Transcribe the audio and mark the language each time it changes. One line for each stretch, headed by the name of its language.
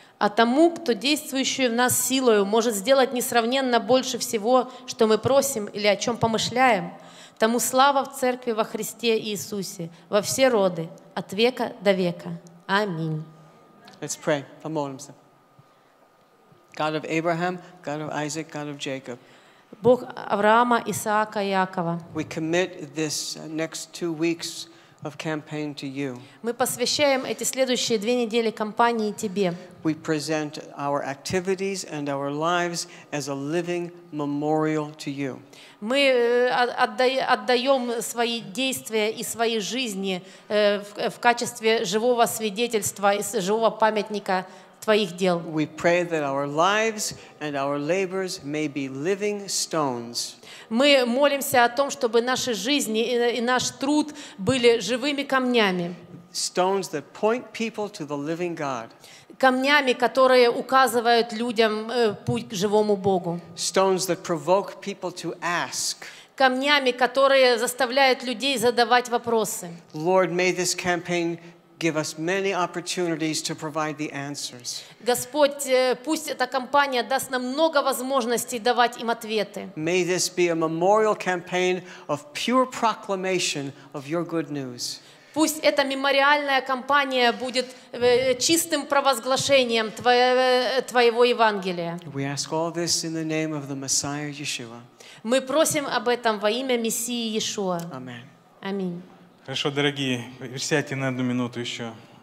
Russian: А тому, кто действующий в нас силою, может сделать несравненно больше всего, что мы просим или о чем помышляем, тому слава в Церкви во Христе Иисусе, во все роды, от века до века. Аминь.
English: Let's pray.
Russian: Помолимся.
English: God of Abraham, God of Isaac, God of Jacob.
Russian: Бог Авраама, Исаака, Иакова.
English: We commit this next 2 weeks of campaign to you.
Russian: Мы посвящаем эти следующие 2 недели кампании тебе.
English: We present our activities and our lives as a living memorial to you.
Russian: Мы отдаем свои действия и свои жизни в качестве живого свидетельства и живого памятника твоих дел.
English: We pray that our lives and our labors may be living stones.
Russian: Мы молимся о том, чтобы наши жизни и наш труд были живыми камнями.
English: Stones that point people to the living God.
Russian: Камнями, которые указывают людям путь к живому Богу.
English: Stones that provoke people to ask.
Russian: Камнями, которые заставляют людей задавать вопросы.
English: Lord, may this campaign give us many opportunities to provide the answers.
Russian: Господь, пусть эта кампания даст нам много возможностей давать им ответы.
English: May this be a memorial campaign of pure proclamation of your good news.
Russian: Пусть эта мемориальная кампания будет чистым провозглашением твоего Евангелия.
English: We ask all this in the name of the Messiah Yeshua.
Russian: Мы просим об этом во имя Мессии Иешуа.
English: Amen.
Russian: Аминь. Хорошо, дорогие, сядьте на 1 минуту еще.